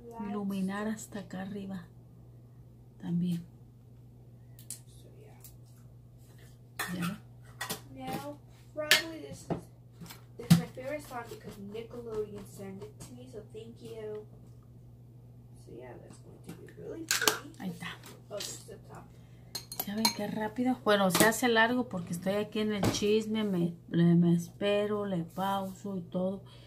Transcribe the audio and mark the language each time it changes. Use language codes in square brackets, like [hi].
[es] Iluminar hasta acá arriba también. ¿Ya? [en] Now, probably this is my favorite spot because Nickelodeon sent it to me, so thank you. So yeah, that's going to be really pretty. [es] Ahí está. ¿Ya ven qué rápido? Bueno, se hace largo porque estoy aquí en el chisme, me espero, le pauso y todo.